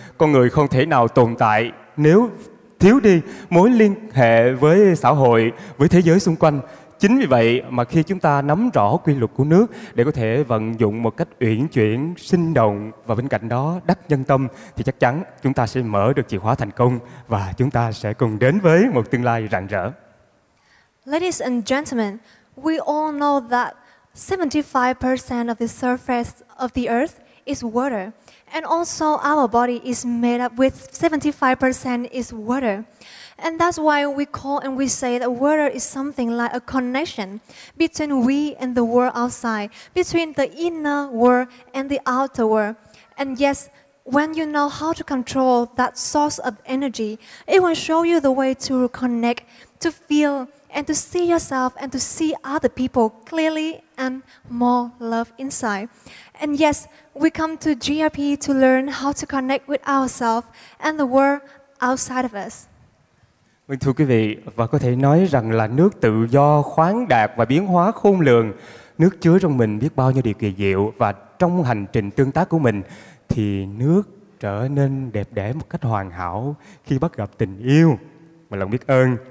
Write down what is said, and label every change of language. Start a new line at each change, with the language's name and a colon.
Vietnamese: Con người không thể nào tồn tại nếu thiếu đi mối liên hệ với xã hội, với thế giới xung quanh. Chính vì vậy mà khi chúng ta nắm rõ quy luật của nước để có thể vận dụng một cách uyển chuyển, sinh động và bên cạnh đó đắc nhân tâm thì chắc chắn chúng ta sẽ mở được chìa khóa thành công và chúng ta sẽ cùng đến với một tương lai rạng rỡ.
English: Ladies and gentlemen, we all know that 75% of the surface of the earth is water. And also our body is made up with 75% is water. And that's why we call and we say that water is something like a connection between we and the world outside, between the inner world and the outer world. And yes, when you know how to control that source of energy, it will show you the way to connect, to feel, and to see yourself and to see other people clearly and more love inside. And yes, we come to GRP to learn how to connect with ourselves and the world outside of us.
Vietnamese: Thưa quý vị, và có thể nói rằng là nước tự do, khoáng đạt và biến hóa khôn lường. Nước chứa trong mình biết bao nhiêu điều kỳ diệu và trong hành trình tương tác của mình thì nước trở nên đẹp đẽ một cách hoàn hảo khi bắt gặp tình yêu và lòng biết ơn.